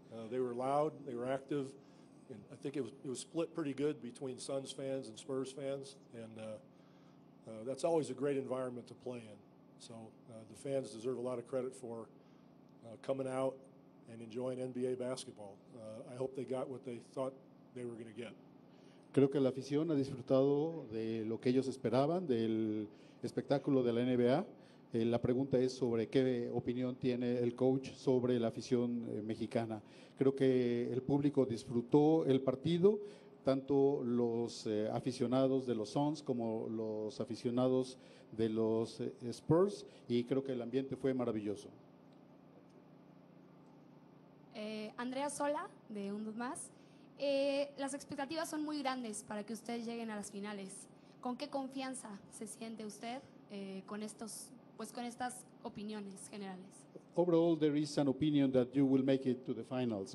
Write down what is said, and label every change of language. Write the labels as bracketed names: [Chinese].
[English] They were loud, they were active, and I think it was split pretty good between Suns fans and Spurs fans, and that's always a great environment to play in. So the fans deserve a lot of credit for coming out and enjoying NBA basketball. I hope they got what they thought they were going to get. [Spanish] Creo que la afición ha disfrutado de lo que ellos esperaban del espectáculo de la NBA. La pregunta es sobre qué opinión tiene el coach sobre la afición mexicana. Creo que el público disfrutó el partido, tanto los aficionados de los Suns como los aficionados de los Spurs, y creo que el ambiente fue maravilloso. Andrea Sola, de Un Dud Más. Las expectativas son muy grandes para que ustedes lleguen a las finales. ¿Con qué confianza se siente usted con estas opiniones generales? [English] Overall, there is an opinion that you will make it to the finals.